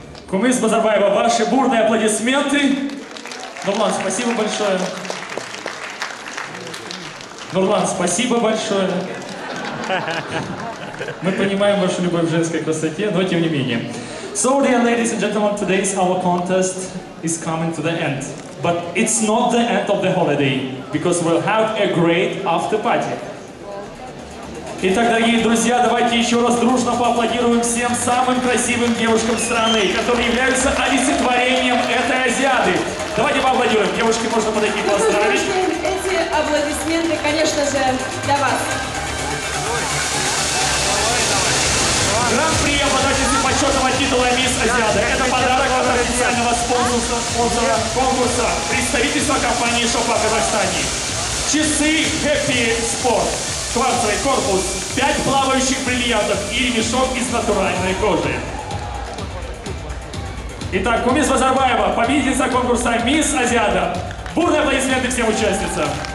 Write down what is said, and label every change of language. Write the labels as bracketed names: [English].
[Russian] Кумис Базарбаева, ваши бурные аплодисменты. Нурлан, спасибо большое. Нурлан, спасибо большое. Мы понимаем вашу любовь к женской красоте, но тем не менее. [English] So, dear ladies and gentlemen, today's our contest is coming to the end. But it's not the end of the holiday, because we'll have a great after party. [Russian] Итак, дорогие друзья, давайте еще раз дружно поаплодируем всем самым красивым девушкам страны, которые являются олицетворением этой Азиады. Давайте поаплодируем. Девушке можно подойти и поздравить. Эти аплодисменты, конечно же, для вас. Гран-при обладательницы почетного титула «Мисс Азиада». Это подарок от официального спонсора конкурса представительства компании «Шопа» в Казахстане. Часы «Happy Sport». Кварцевый корпус, 5 плавающих бриллиантов и мешок из натуральной кожи. Итак, Кумис Базарбаева, победительница конкурса «Мисс Азиада». Бурные аплодисменты всем участницам.